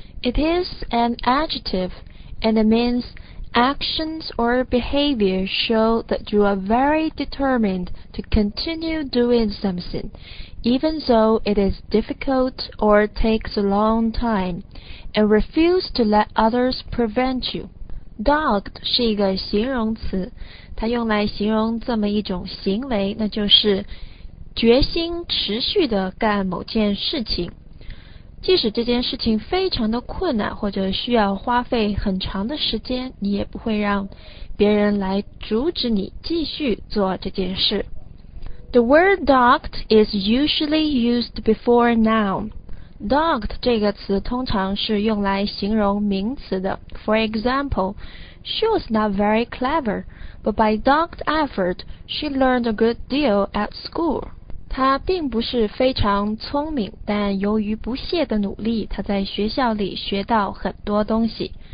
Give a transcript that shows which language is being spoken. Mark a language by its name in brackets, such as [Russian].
[English] It is an adjective, and it means actions or behavior show that you are very determined to continue doing something, even though it is difficult or takes a long time, and refuse to let others prevent you. [Chinese] Docked 是一个形容词，它用来形容这么一种行为，那就是决心持续地干某件事情，即使这件事情非常的困难或者需要花费很长的时间，你也不会让别人来阻止你继续做这件事。 [English] The word docked is usually used before noun. [Chinese] Docked 这个词通常是用来形容名词的。 [English] For example, she was not very clever, but by docked effort, she learned a good deal at school. [Chinese] 他并不是非常聪明，但由于不懈的努力，他在学校里学到很多东西。